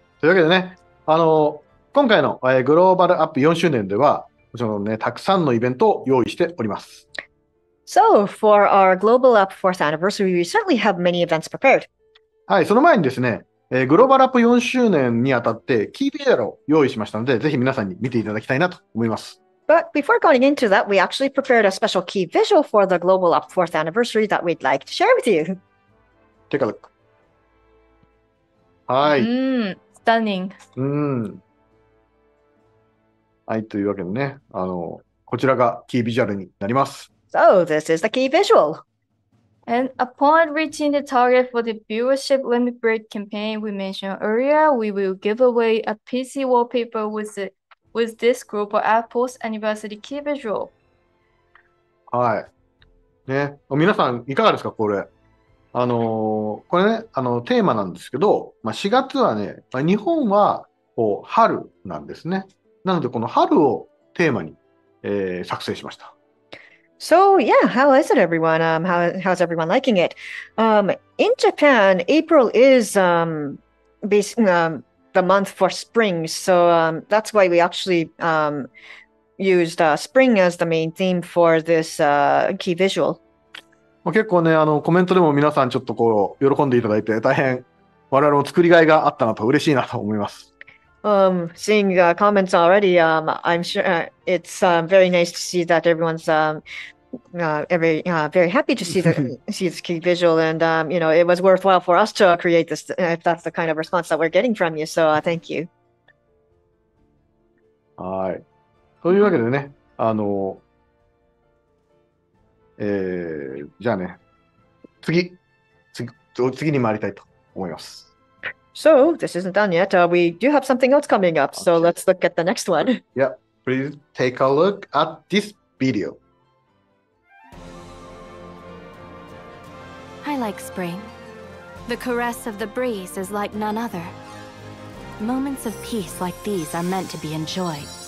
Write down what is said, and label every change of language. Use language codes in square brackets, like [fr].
[ja] というわけでね、今回のグローバルアップ4周年では、もちろんね、たくさんのイベントを用意しております。 [en] So, for our Global Up 4th anniversary, we certainly have many events prepared. [ja] はい、その前にですね、グローバルアップ4周年にあたってキービジュアルを用意しましたので、ぜひ皆さんに見ていただきたいなと思います。 [en] But before going into that, we actually prepared a special key visual for the Global Up 4th anniversary that we'd like to share with you. Take a look. [ja] はい。 [en] Stunning. [ja] はい、というわけでね、こちらがキービジュアルになります。 [en] So, this is the key visual. And upon reaching the target for the viewership limit break campaign we mentioned earlier, we will give away a PC wallpaper with this group of Apple's anniversary key visual. [ja] はい。ね、皆さん、いかがですか、これ。これね、テーマなんですけど、まあ、4月はね、まあ、日本はこう春なんですね。なので、この春をテーマに、作成しました。 [en] So yeah, how is it, everyone? How's everyone liking it? In Japan, April is the month for spring, so that's why we actually used spring as the main theme for this key visual. [ja] 結構ね、コメントでも皆さんちょっとこう喜んでいただいて、大変我々も作りがいがあったなと嬉しいなと思います。 [en] Seeing comments already, I'm sure it's very nice to see that everyone's very happy to see this key visual, and you know, it was worthwhile for us to create this. If that's the kind of response that we're getting from you, so thank you. [ja] はい。というわけでね、じゃあね、次に参りたいと思います。 [en] So, this isn't done yet. We do have something else coming up. So, let's look at the next one. Yeah, please take a look at this video. I like spring. The caress of the breeze is like none other. Moments of peace like these are meant to be enjoyed.